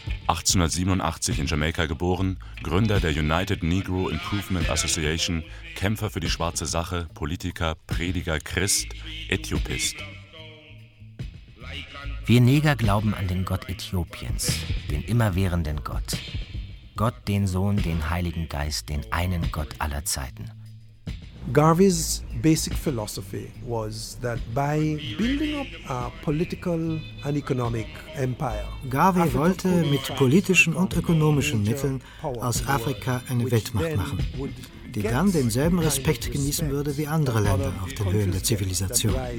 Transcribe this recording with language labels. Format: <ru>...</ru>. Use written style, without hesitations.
<de>1887 in Jamaika geboren, Gründer der United Negro Improvement Association, Kämpfer für die schwarze Sache, Politiker, Prediger, Christ, Äthiopist. Wir Neger glauben an den Gott Äthiopiens, den immerwährenden Gott. Gott, den Sohn, den Heiligen Geist, den einen Gott aller Zeiten.</de> <en>Garvey's basic philosophy was that by building up a political and economic empire.</en> <de>Garvey wollte mit politischen und ökonomischen Mitteln aus Afrika eine Weltmacht machen, die dann denselben Respekt genießen würde wie andere Länder auf den Höhen der Zivilisation.</de>